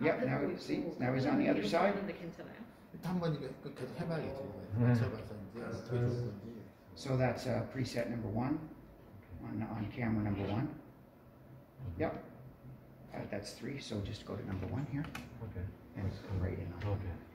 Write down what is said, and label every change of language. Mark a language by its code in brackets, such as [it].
[en] yep, now, see, now he's on the other side. [ko] 한번 이거 계속 해봐야겠죠. [en] Yeah. So that's preset number one, on camera number one. Yep, that's 3, so just go to number 1 here. Okay. And come right in on okay. Okay.